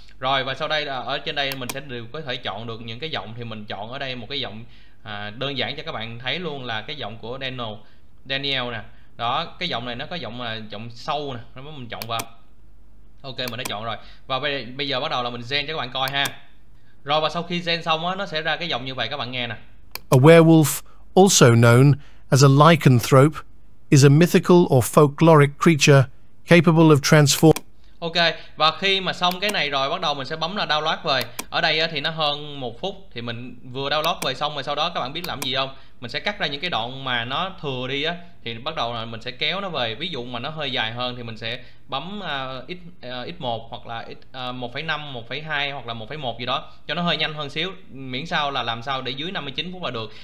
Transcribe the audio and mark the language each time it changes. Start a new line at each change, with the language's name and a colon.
Vietnamese: Rồi và sau đây là ở trên đây mình sẽ đều có thể chọn được những cái giọng, thì mình chọn ở đây một cái giọng đơn giản cho các bạn thấy luôn là cái giọng của Daniel nè. Đó, cái giọng này nó có giọng là giọng sâu nè, nó mình chọn vào. Ok, mình đã chọn rồi. Và bây giờ bắt đầu là mình gen cho các bạn coi ha. Rồi và sau khi gen xong á, nó sẽ ra cái giọng như vậy các bạn nghe nè.
English: A werewolf, also known as a lycanthrope, is a mythical or folkloric creature capable of transform.
Vietnamese: Ok, và khi mà xong cái này rồi bắt đầu mình sẽ bấm là download về. Ở đây thì nó hơn một phút, thì mình vừa download về xong rồi sau đó các bạn biết làm gì không? Mình sẽ cắt ra những cái đoạn mà nó thừa đi á, thì bắt đầu là mình sẽ kéo nó về. Ví dụ mà nó hơi dài hơn thì mình sẽ bấm x1 hoặc là x 1,5, 1,2 hoặc là 1,1 gì đó cho nó hơi nhanh hơn xíu, miễn sao là làm sao để dưới 59 phút là được.